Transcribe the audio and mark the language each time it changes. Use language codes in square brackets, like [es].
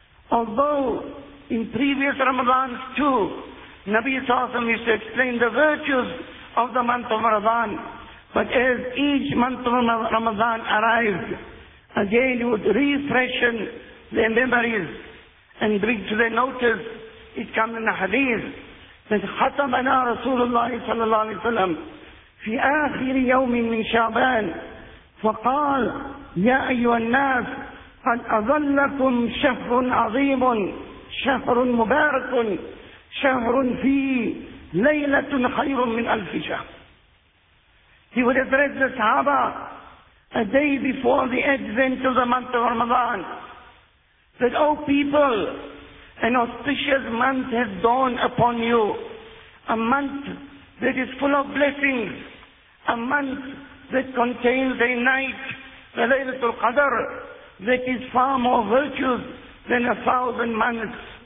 [en] Although in previous Ramadans too, Nabi sallallahu alayhi wa sallam used to explain the virtues of the month of Ramadan, but as each month of Ramadan arrived, again he would refresh their memories and bring to their notice. It comes in the hadith [ar] من ختمنا رسول الله صلى الله عليه وسلم في آخر يوم من شعبان فقال: يا أيها الناس، قد أظلكم شهر عظيم، شهر مبارك، شهر فيه ليلة خير من ألف شهر. [en] He would address the Sahaba a day before the advent of the month of Ramadan, that, O people, an auspicious month has dawned upon you, a month that is full of blessings, a month that contains a night, the Laylatul Qadr, that is far more virtuous than a thousand months.